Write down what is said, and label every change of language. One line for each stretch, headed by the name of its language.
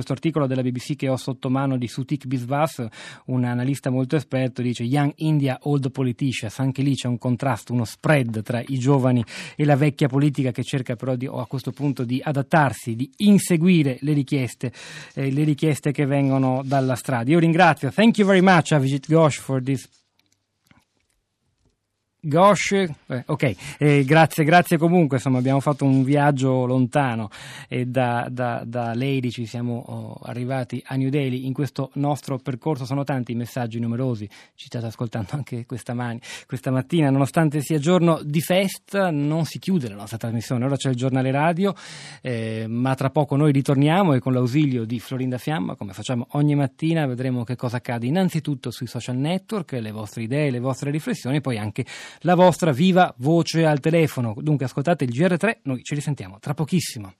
Italian: Questo articolo della BBC che ho sotto mano, di Sutik Biswas, un analista molto esperto, dice
English: Young India, Old Politicians,
Italian: anche lì c'è un contrasto, uno spread tra i giovani e la vecchia politica, che cerca però a questo punto di adattarsi, di inseguire le richieste che vengono dalla strada. Io ringrazio.
English: Thank you very much, Avijit Ghosh, for this.
Italian: Grazie comunque, insomma abbiamo fatto un viaggio lontano e da Lady ci siamo arrivati a New Delhi. In questo nostro percorso sono tanti i messaggi numerosi, ci state ascoltando anche questa mattina, nonostante sia giorno di festa non si chiude la nostra trasmissione, ora c'è il giornale radio, ma tra poco noi ritorniamo e con l'ausilio di Florinda Fiamma, come facciamo ogni mattina, vedremo che cosa accade innanzitutto sui social network, le vostre idee, le vostre riflessioni e poi anche la vostra viva voce al telefono. Dunque ascoltate il GR3, noi ci risentiamo tra pochissimo.